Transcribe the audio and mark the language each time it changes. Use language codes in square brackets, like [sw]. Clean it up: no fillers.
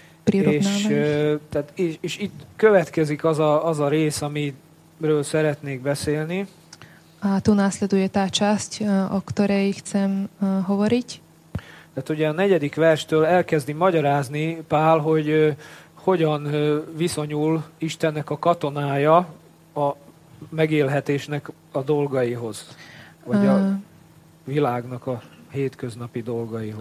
[hu] És itt következik az a rész, amiről szeretnék beszélni. [sk] A tu následuje tá časť, o ktorej chcem hovoriť. [hu] Tehát ugye a negyedik verstől elkezdi magyarázni Pál, hogy hogyan viszonyul Istennek a katonája a megélhetésnek a dolgaihoz. Vagy a világnak a hétköznapi dolgaihoz.